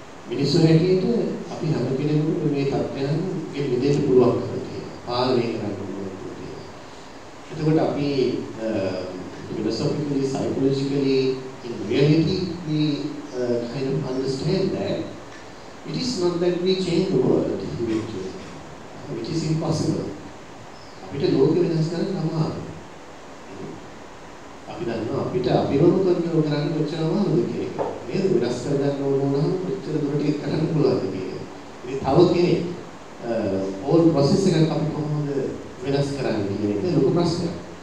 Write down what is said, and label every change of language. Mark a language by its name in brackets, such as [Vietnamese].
[Sinhala] මිනිස්සු හැටියට අපි හැම කෙනෙකුට මේ තත්ත්වයන් ගේ මෙදෙන්න පුළුවන් කියලා තියෙනවා. පාලනය කරන්න පුළුවන් කියලා තියෙනවා. එතකොට අපි [English] philosophically, psychologically, in reality, we kind of understand that it is not that we change the world eventually, which is impossible. [Sinhala] අපිට ලෝක වෙනස් කරන්න අමාරු. අපි දන්නවා අපිට අපිවම control කරන්න කොච්චර අමාරුද කියලා. මේ වෙනස් කර ගන්න ඕන නම් කොච්චර දුරට ඒක කරන්න පුළුවන්ද කියලා. ඉතින් තව කෙනෙක් whole process එකක් අපි කොහොමද වෙනස් කරන්නේ කියන එක ලොකු ප්‍රශ්නයක්.